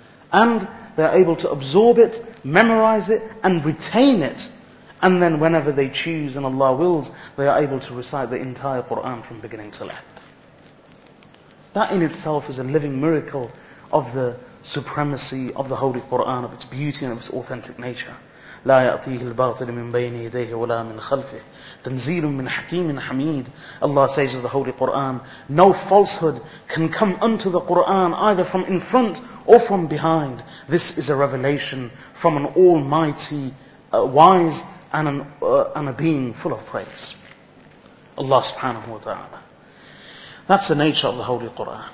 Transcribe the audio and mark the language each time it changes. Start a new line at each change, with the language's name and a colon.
English: And they are able to absorb it, memorize it, and retain it. And then whenever they choose and Allah wills, they are able to recite the entire Qur'an from beginning to end. That in itself is a living miracle of the supremacy of the Holy Qur'an, of its beauty and of its authentic nature.
Arabic: لا يأتيه الباطل من بين يديه ولا من خلفه تنزيل من حكيم حميد.
English: Allah says of the Holy Qur'an, no falsehood can come unto the Qur'an either from in front or from behind. This is a revelation from an almighty, wise, and a being full of praise. Allah subhanahu wa ta'ala. That's the nature of the Holy Qur'an.